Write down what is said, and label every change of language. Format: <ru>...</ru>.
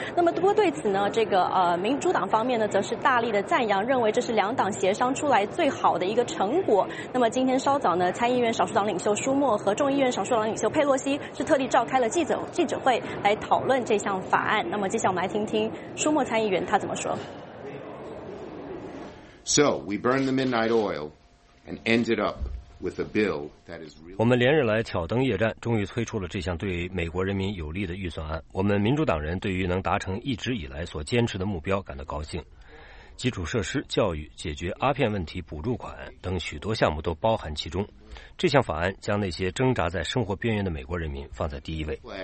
<zh>那么不过对此呢，这个民主党方面呢，则是大力的赞扬，认为这是两党协商出来最好的一个成果。那么今天稍早呢，参议院少数党领袖舒默和众议院少数党领袖佩洛西是特地召开了记者会来讨论这项法案。那么接下来我们来听听舒默参议员他怎么说。</zh> <en>So we burned the midnight oil and ended up with a bill that is.</en> <zh>我们连日来挑灯夜战，终于推出了这项对美国人民有利的预算案。我们民主党人对于能达成一直以来所坚持的目标感到高兴。基础设施、教育、解决阿片问题补助款等许多项目都包含其中。这项法案将那些挣扎在生活边缘的美国人民放在第一位。</zh>